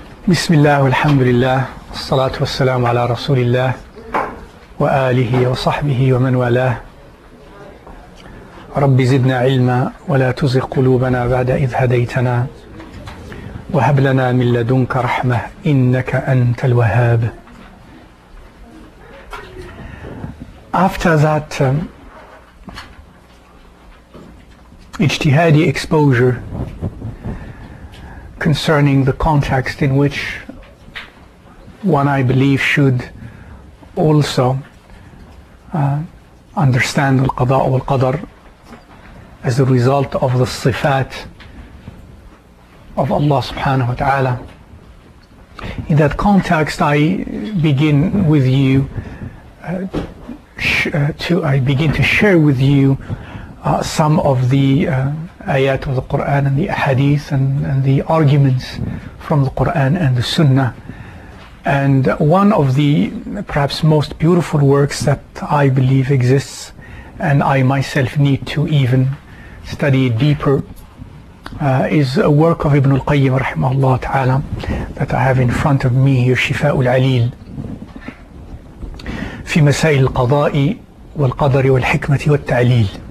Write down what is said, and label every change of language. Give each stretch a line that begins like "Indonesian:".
Arabic: بسم الله والحمد لله والصلاة والسلام على رسول الله وآله وصحبه ومن والاه. رب زدنا علما ولا تزغ قلوبنا بعد إذ هديتنا وهب لنا من لدنك رحمة إنك أنت الوهاب.
English: After that ijtihadi exposure concerning the context in which one, I believe, should also understand al-qada wal-qadr as a result of the sifat of Allah subhanahu wa ta'ala. In that context, I begin with you to share with you some of the ayat of the Qur'an and the ahadith and the arguments from the Qur'an and the sunnah. And one of the perhaps most beautiful works that I believe exists, and I myself need to even study deeper, is a work of Ibn al-Qayyim rahimahullah ta'ala that I have in front of me here, Shifa'ul Alil.
Arabic: في مسائل القضاء والقدر والحكمة والتعليل.